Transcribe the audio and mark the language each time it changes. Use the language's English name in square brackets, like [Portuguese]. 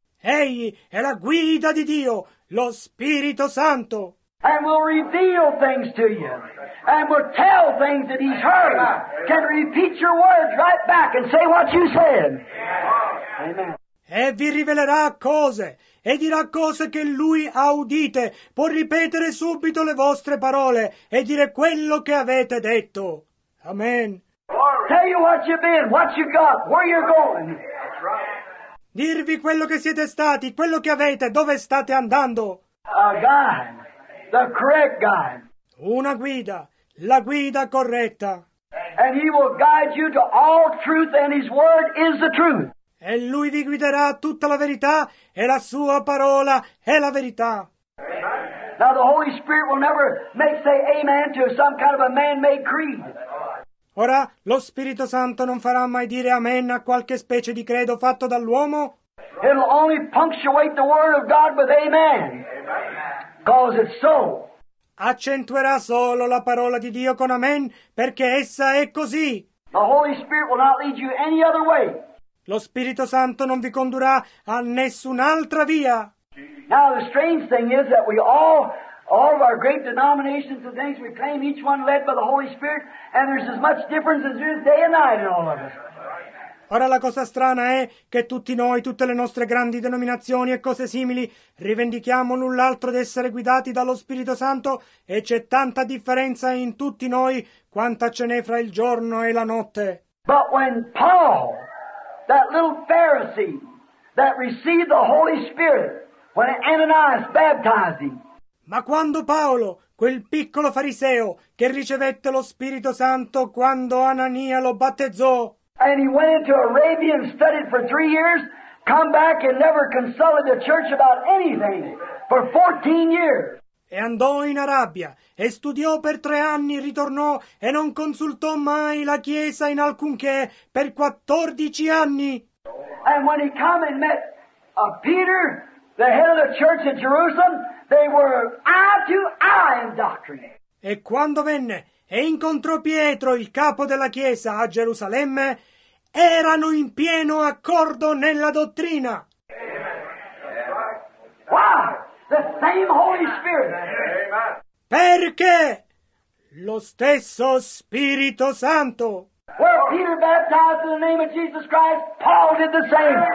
[Italian] Egli è la guida di Dio, lo Spirito Santo. [English] And will reveal things to you. And will tell things that he's heard. Can repeat your words right back and say what you said. Amen. [Italian] E vi rivelerà cose. E dirà cose che lui ha udite. Può ripetere subito le vostre parole. E dire quello che avete detto. Amen. [English] Tell you what you've been, what you've got, where you're going. [Italian] Dirvi quello che siete stati, quello che avete, dove state andando. [English] God. The correct guide. [Italian] Una guida, la guida corretta. [English] And he will guide you to all truth, and his word is the truth. [Italian] E lui vi guiderà tutta la verità, e la sua parola è la verità. [English] Now the Holy Spirit will never make say amen to some kind of a man-made creed. [Italian] Ora lo Spirito Santo non farà mai dire amen a qualche specie di credo fatto dall'uomo. [English] It'll only punctuate the word of God with amen. Cause it's so. [Italian] Accentuerà solo la parola di Dio con amen, perché essa è così. [English] The Holy Spirit will not lead you any other way. [Italian] Lo Spirito Santo non vi condurrà a nessun'altra via. [English] Now the strange thing is that we all of our great denominations and things, we claim each one led by the Holy Spirit, and there's as much difference as there is day and night in all of us. [Italian] Ora la cosa strana è che tutti noi, tutte le nostre grandi denominazioni e cose simili, rivendichiamo l'un l'altro di essere guidati dallo Spirito Santo e c'è tanta differenza in tutti noi quanta ce n'è fra il giorno e la notte. [English] But when Paul, that little Pharisee that received the Holy Spirit, when Ananias baptized him. [Italian] Ma quando Paolo, quel piccolo fariseo che ricevette lo Spirito Santo quando Anania lo battezzò, [English] and he went into Arabia and studied for 3 years, come back and never consulted the church about anything for 14 years. [Italian] e andò in Arabia e studiò per 3 anni, ritornò e non consultò mai la Chiesa in alcunché per 14 anni. [English] And when he came and met Peter, the head of the church at Jerusalem, they were eye to eye in doctrine. [Italian] E quando venne e incontrò Pietro, il capo della Chiesa a Gerusalemme, erano in pieno accordo nella dottrina. [English] Why? The same Holy Spirit. [Italian] Perché? Lo stesso Spirito Santo. [English] Where Peter baptized in the name of Jesus Christ, Paul did the same.